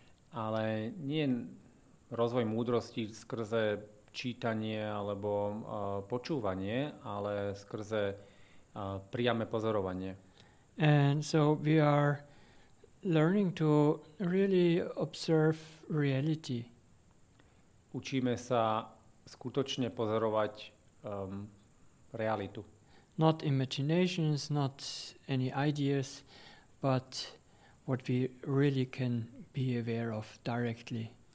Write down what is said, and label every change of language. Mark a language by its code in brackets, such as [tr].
[sk] Ale nie rozvoj múdrosti skrze čítanie alebo počúvanie, ale skrze priame pozorovanie. [en] And so we are learning to really observe reality. [sk] Učíme sa skutočne pozorovať realitu. [en] Not imaginations, not any ideas, but what we really can be aware of directly.